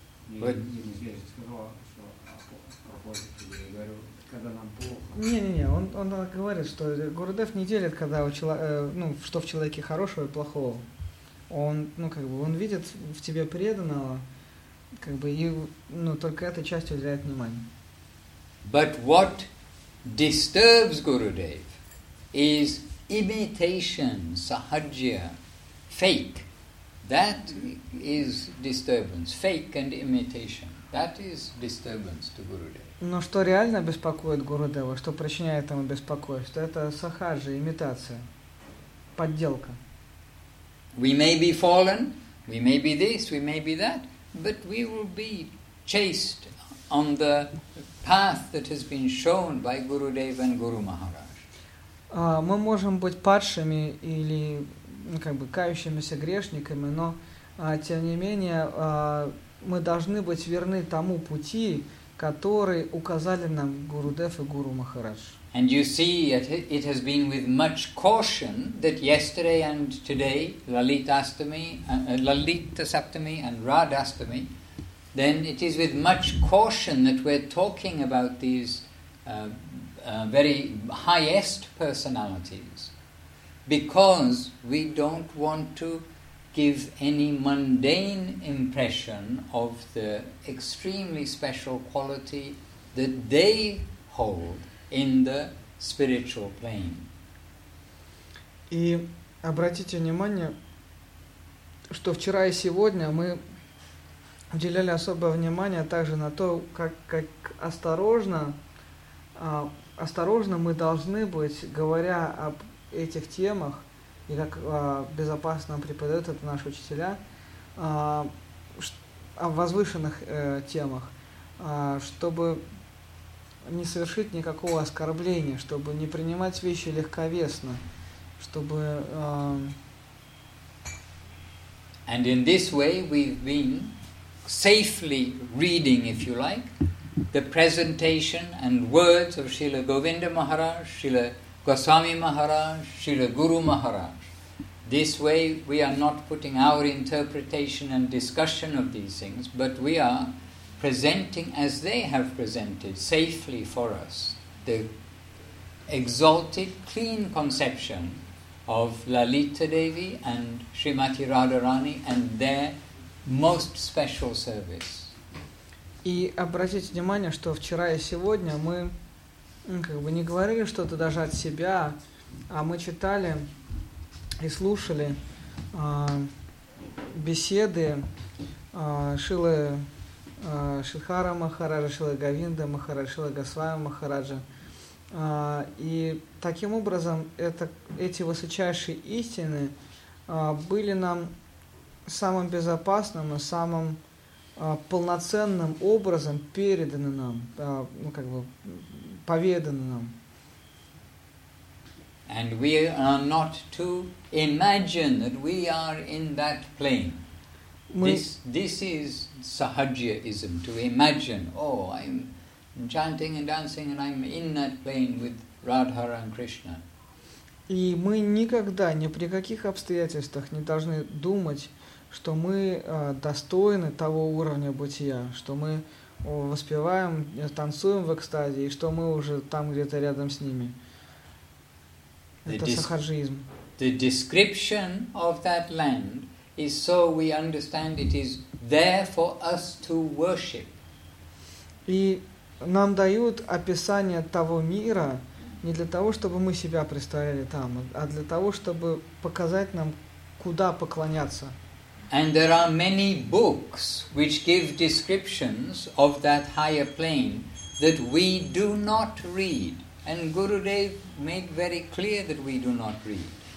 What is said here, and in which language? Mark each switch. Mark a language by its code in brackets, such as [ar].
[ru] Не-не-не, он говорит, что Гурудев не делит, когда у человека, ну, что в человеке хорошего и плохого. Он, ну, как бы, он видит в тебе преданного, как бы, и, ну, только эта часть уделяет внимание. [en] But what disturbs Gurudev is imitation, sahajya, fake. That is disturbance, fake and imitation. That is disturbance to Gurudev. [ru] Но что реально беспокоит Гурудева, что причиняет ему беспокойство, это сахаджа, имитация, подделка. [en] We may be fallen, we may be this, we may be that, but we will be chased on the path that has been shown by Gurudev and Guru Maharaj. [ru] Мы можем быть падшими или как бы кающимися грешниками, но тем не менее мы должны быть верны тому пути, который указали нам Гурудев и Гуру Махарадж. [en] And you see, it has been with much caution that yesterday and today, Lalita Saptami and Radhastami, then it is with much caution that we're talking about these very highest personalities, because we don't want to give any mundane impression of the extremely special quality that they hold in the spiritual plane. [ru] И обратите внимание, что вчера и сегодня мы уделяли особое внимание также на то, как осторожно мы должны быть, говоря об этих темах, и как безопасно преподают это наши учителя, о возвышенных темах, чтобы не совершить никакого оскорбления, чтобы не принимать вещи легковесно, чтобы... [en] And in this way we've been safely reading, if you like, the presentation and words of Srila Govinda Maharaj, Srila Goswami Maharaj, Srila Guru Maharaj. This way we are not putting our interpretation and discussion of these things, but we are presenting as they have presented safely for us the exalted clean conception of Lalita Devi and Srimati Radharani and their most special service. [ru] И обратите внимание, что вчера и сегодня мы как бы не говорили что-то даже от себя, а мы читали и слушали беседы Шилы Шридхара Махараджа, Шилы Говинда Махараджа, Шилы Госвами Махараджа. И таким образом эти высочайшие истины были нам самым безопасным и самым полноценным образом переданы нам, ну как бы поведаны нам. [en] And we are not to imagine that we are in that plane. This is sahajyaism, to imagine, oh, I'm chanting and dancing and I'm in that plane with Radha and Krishna. [ru] И мы никогда, ни при каких обстоятельствах не должны думать, что мы достойны того уровня бытия, что мы воспеваем, танцуем в экстазе, и что мы уже там где-то рядом с ними. [en] The description of that land is so we understand it is there for us to worship. [ru] И нам дают описание того мира не для того, чтобы мы себя представили там, а для того, чтобы показать нам, куда поклоняться. [en] And there are many books which give descriptions of that higher plane that we do not read. And Gurudev made very clear that we do not read.